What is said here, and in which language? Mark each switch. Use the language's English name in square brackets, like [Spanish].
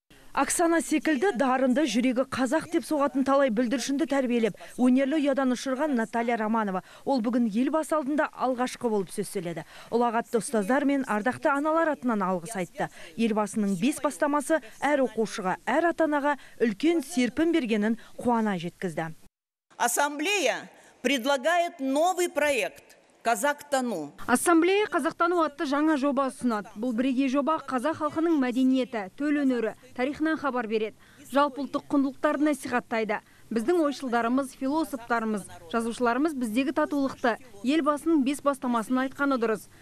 [Kazakh] Оксана секілді дарынды жүрегі қазақ деп соғатын талай бүлдіршінді тәрбиелеп, өнерлі ұядан ұшырған Наталья Романова. Ол бүгін елбасы алдында алғашқы болып сөз сөйледі. Ұлағатты ұстаздар мен ардақты аналар атынан алғыс айтты. Елбасының бес бастамасы әр оқушыға, әр атанаға үлкен серпін бергенін қуана жеткізді. [Russian] Ассамблея предлагает новый проект. [Kazakh] Қазақтану. Ассамблея «Қазақтану» атты жаңа жоба ұсынады. Бұл бірегей жоба қазақ халқының мәдениеті, төл өнері, тарихынан хабар береді. Жалпы ұлттық құндылықтарды насихаттайды. Біздің ойшылдарымыз, философтарымыз, жазушыларымыз біздегі татулықты, елбасының бес бастамасын айтқаны дұрыс.